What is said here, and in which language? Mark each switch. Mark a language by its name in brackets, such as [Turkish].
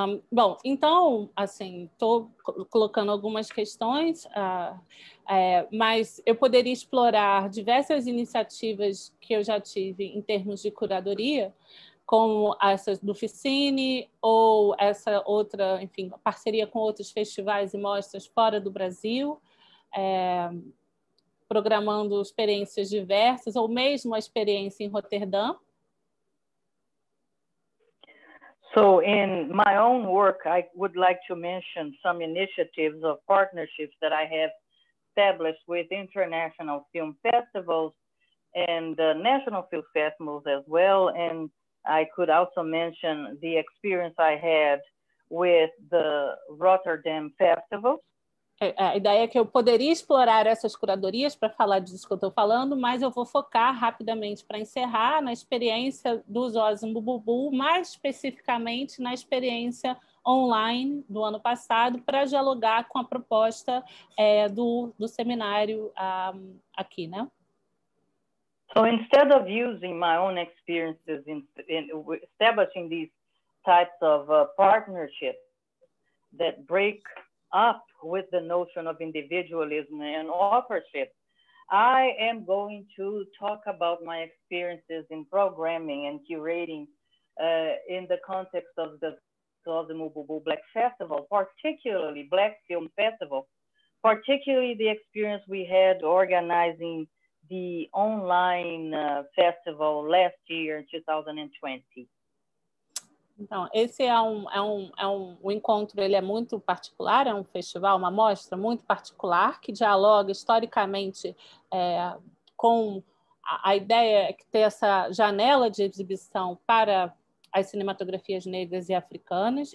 [Portuguese] Bom, então, assim, estou colocando algumas questões, mas eu poderia explorar diversas iniciativas que eu já tive em termos de curadoria, como essas do Ficine ou essa outra, enfim, parceria com outros festivais e mostras fora do Brasil, programando experiências diversas, ou mesmo a experiência em Roterdã. [English] So in my own work, I would like to mention some initiatives of partnerships that I have established with international film festivals and national film festivals as well. And I could also mention the experience I had with the Rotterdam Festival. [Portuguese] A ideia é que eu poderia explorar essas curadorias para falar disso que eu estou falando, mas eu vou focar rapidamente para encerrar na experiência do Zozimo Bulbul, mais especificamente na experiência online do ano passado, para dialogar com a proposta do seminário aqui, né? [English] So instead of using my own experiences in establishing these types of partnerships that break up with the notion of individualism and authorship, I am going to talk about my experiences in programming and curating in the context of the Zozimo Bulbul Black Festival, particularly Black Film Festival, particularly the experience we had organizing the online festival last year, 2020. [Portuguese] Então, esse é um encontro, ele é muito particular, é um festival, uma mostra muito particular, que dialoga historicamente com a ideia que tem essa janela de exibição para as cinematografias negras e africanas.